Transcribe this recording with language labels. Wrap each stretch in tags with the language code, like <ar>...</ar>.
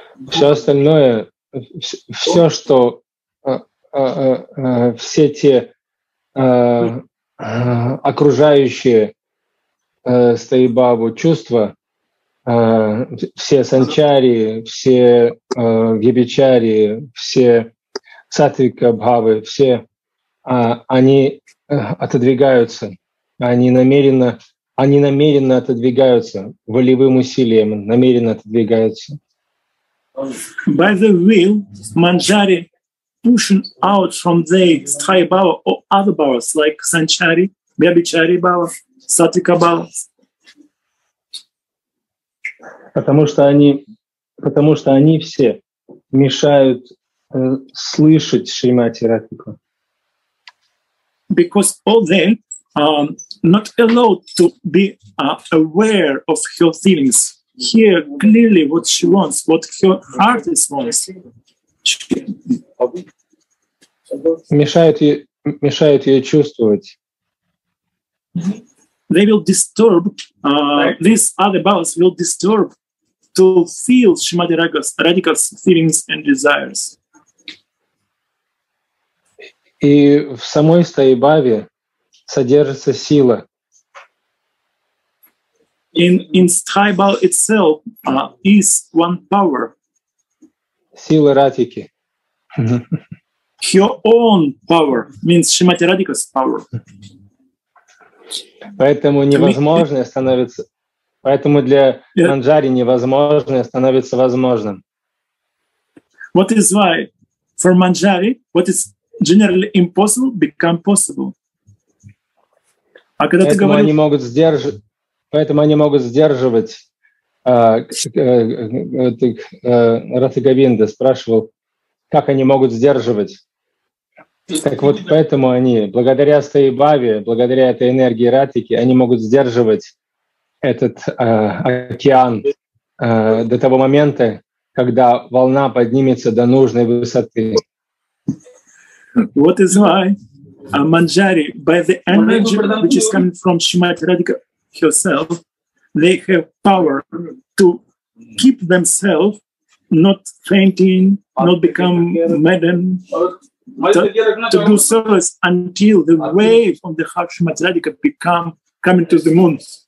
<ru>Все остальное, все что, все те окружающие стаи бабу чувства, все санчари, все вьябичари, все сатвика бхавы, все они отодвигаются, они намеренно отодвигаются волевым усилием, намеренно отодвигаются.</ru> <en>By the will, Manjari pushing out from the sthayi bhava or other bhavas, like Sanchari, Vyabhichari bhava, Satvika bhava.</en> <ru>Потому что они все мешают слышать Шримати Радхику.</ru> <en>Because all they not allowed to be aware of her feelings, hear clearly what she wants, what her heart is wants.</en> <ru>Мешают ее чувствовать.</ru> <en>They will disturb, these other bhavas will disturb to feel Shrimati Radhika's feelings and desires.</en> <ru>И в самой стаи бхаве содержится сила,</ru> <en>in Sthai Bhav itself is one power.</en> <ru>Сила Радхики.</ru> <en>Her own power means Shrimati Radhika's power.</en> <ru>Поэтому невозможное становится, поэтому для Манджари невозможное становится возможным.</ru> <en>What is why for Manjari, what is generally impossible become possible.</en> <ru>А когда ты говоришь, они могут сдерживать, поэтому они могут сдерживать. Радха Говинда спрашивал, как они могут сдерживать. Так вот, поэтому они, благодаря своей Бхаве, благодаря этой энергии Радхики, они могут сдерживать этот океан до того момента, когда волна поднимется до нужной высоты.</ru> <en>What is why Manjari, by the energy which is coming from Shrimati Radhika herself, they have power to keep themselves not fainting, not become maddened, to do service until the wave of the heart Shrimati Radhika become coming to the moon.</en>